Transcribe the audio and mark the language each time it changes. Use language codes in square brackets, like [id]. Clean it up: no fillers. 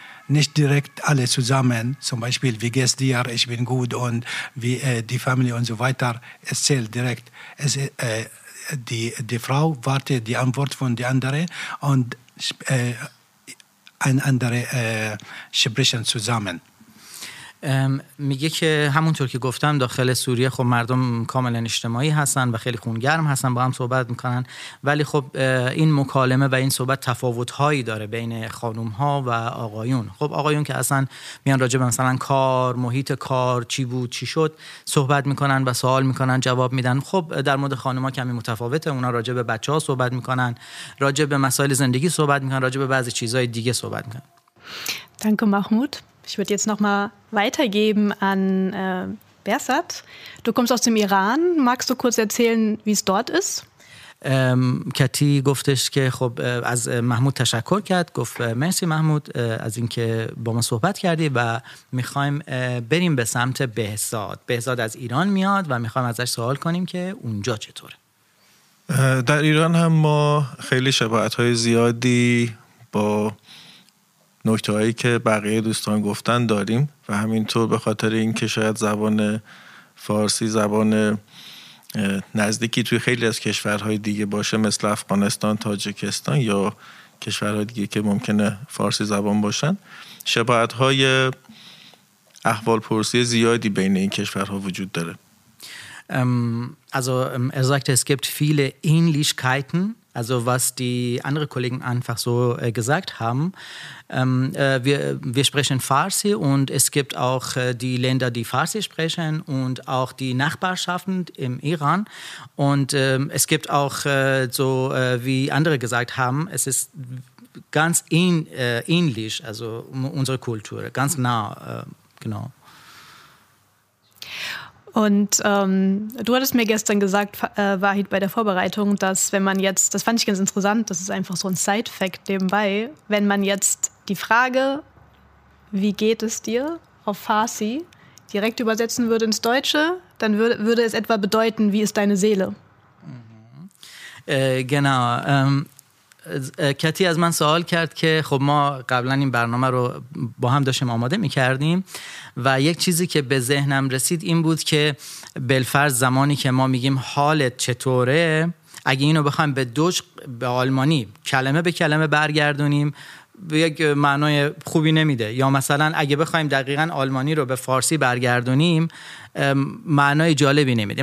[de] Nicht direkt alle zusammen, zum Beispiel, wie geht's dir, ich bin gut und wie die Family und so weiter. Es zählt direkt. Es, die Frau wartet die Antwort von der anderen und ein andere sprechen zusammen. [fa] میگه که همونطور که گفتم داخل سوریه خب مردم کاملا اجتماعی هستن و خیلی خونگرم هستن، با هم صحبت میکنن، ولی خب این مکالمه و این صحبت تفاوت‌هایی داره بین خانم‌ها و آقایون. خب آقایون که اصلا میان راجع به مثلا کار، محیط کار، چی بود چی شد صحبت میکنن و سوال میکنن جواب میدن. خب در مورد خانم‌ها کمی متفاوته، اونا راجع به بچه‌ها صحبت میکنن، راجع به مسائل زندگی صحبت میکنن، راجع به بعضی چیزهای دیگه صحبت میکنن. [de] Danke Mahmoud. Ich würde jetzt noch mal weitergeben an Behzad. Du kommst aus dem Iran. Magst du kurz erzählen, wie es dort ist? [fa] کتی گفتش که خب از محمود تشکر کرد، گفت مرسی محمود از اینکه با ما صحبت کردی و میخوایم بریم به سمت بهزاد. بهزاد از ایران میاد و میخوایم ازش سوال کنیم که اونجا چطوره. در ایران هم ما خیلی شباهت‌های زیادی با نکته هایی که بقیه دوستان گفتن داریم و همینطور به خاطر این که شاید زبان فارسی زبان نزدیکی توی خیلی از کشورهای دیگه باشه، مثل افغانستان، تاجیکستان یا کشورهای دیگه که ممکنه فارسی زبان باشن، شباهت های احوال پرسی زیادی بین این کشورها وجود داره. [de] Also er sagt, es gibt viele Ähnlichkeiten. Also was die anderen Kollegen einfach so gesagt haben, wir sprechen Farsi und es gibt auch die Länder, die Farsi sprechen und auch die Nachbarschaften im Iran. Und es gibt auch so, wie andere gesagt haben, es ist ganz ähnlich, also unsere Kultur, ganz nah, genau. Und du hattest mir gestern gesagt, Wahid, bei der Vorbereitung, dass wenn man jetzt, das fand ich ganz interessant, das ist einfach so ein Side-Fact nebenbei, wenn man jetzt die Frage, wie geht es dir, auf Farsi direkt übersetzen würde ins Deutsche, dann würde es etwa bedeuten, wie ist deine Seele? Genau. [fa] کتی از من سوال کرد که خب ما قبلا این برنامه رو با هم داشتیم آماده می کردیم و یک چیزی که به ذهنم رسید این بود که بالفرض زمانی که ما میگیم حالت چطوره، اگه اینو بخوایم به دوچ به آلمانی کلمه به کلمه برگردونیم به یک معنای خوبی نمیده، یا مثلا اگه بخوایم دقیقا آلمانی رو به فارسی برگردونیم معنای جالبی نمیده.